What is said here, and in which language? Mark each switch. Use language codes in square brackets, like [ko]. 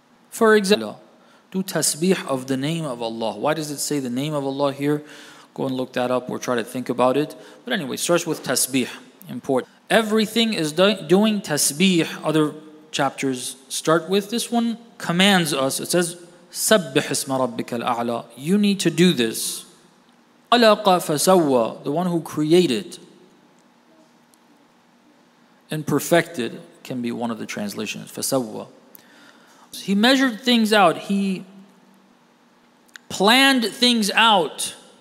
[en] For example, do tasbih of the name of Allah. Why does it say the name of Allah here? Go and look that up or try to think about it. But anyway, starts with tasbih. Important. Everything is doing tasbih. Other chapters start with. This one commands us. It says, [ar] سَبِّحْ اسْمَ رَبِّكَ الْأَعْلَى. [en] You need to do this. [ar] خَلَقَ فَسَوَّى. [en] The one who created and perfected can be one of the translations. فَسَوَّى. He measured things out. He planned things out.